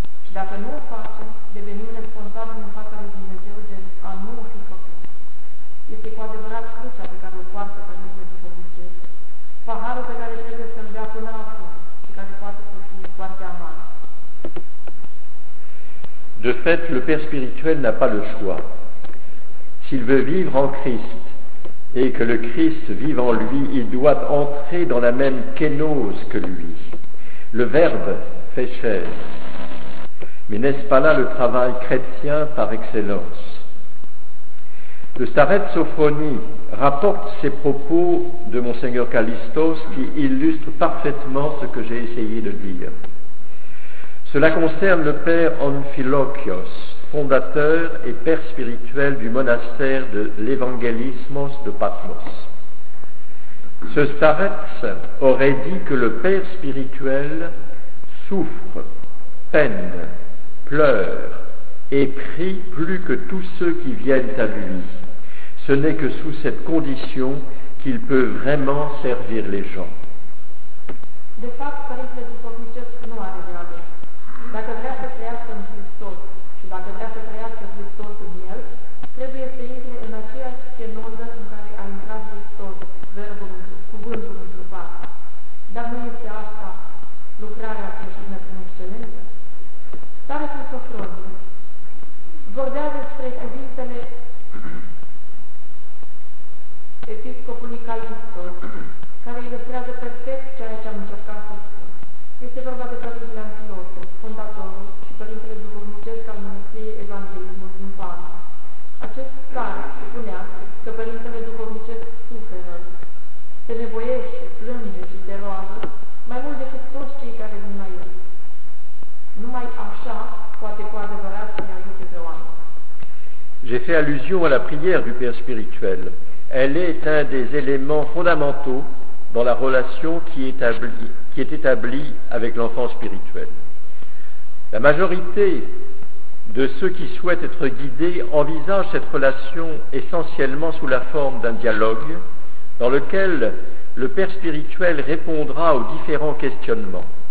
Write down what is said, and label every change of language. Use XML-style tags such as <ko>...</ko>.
<ro>Și dacă nu o facem, devenim responsabili în fața lui Dumnezeu de a nu o fi făcut. Este cu adevărat crucea pe care o poartă părintele duhovnicesc, paharul pe care trebuie să-l bea până la fund și care poate să fie foarte amar.</ro> <fr>De fait, le Père spirituel n'a pas le choix. S'il veut vivre en Christ et que le Christ vive en lui, il doit entrer dans la même kénose que lui. Le Verbe fait chair. Mais n'est-ce pas là le travail chrétien par excellence? Le Staret Sophronie rapporte ces propos de Mgr Callistos qui illustrent parfaitement ce que j'ai essayé de dire. Cela concerne le père Amphilochios, fondateur et père spirituel du monastère de l'Evangelismos de Patmos. Ce Starets aurait dit que le Père spirituel souffre, peine, pleure et prie plus que tous ceux qui viennent à lui. Ce n'est que sous cette condition qu'il peut vraiment servir les gens.</fr> <ro>De fapt, Părintele Duhovnicesc nu are grade. Dacă vrea să trăiască în Hristos și dacă vrea să trăiască Hristos în el, trebuie să intre în aceeași chenoză în care a intrat Hristos, verbul, cuvântul întrupat. Dar nu este asta lucrarea creștină prin excelență? Stare cu Sofronie vorbea despre cuvintele episcopului Calixtos, care ilustrează perfect ceea ce am încercat să spun. Este vorba de Părintele Antiope, fondatorul și Părintele Duhovnicesc al Mănăstirii Evanghelismul din Palma. Acest stare spunea că Părintele Duhovnicesc suferă, se nevoiește, plânge și se roagă mai mult decât toți cei care vin la el. Numai așa poate cu adevărat să ne ajute pe oameni.</ro> <fr>J'ai fait allusion à la prière du Père spirituel. Elle est un des éléments fondamentaux dans la relation qui est établie avec l'enfant spirituel. La majorité de ceux qui souhaitent être guidés envisagent cette relation essentiellement sous la forme d'un dialogue dans lequel le Père spirituel répondra aux différents questionnements.</fr>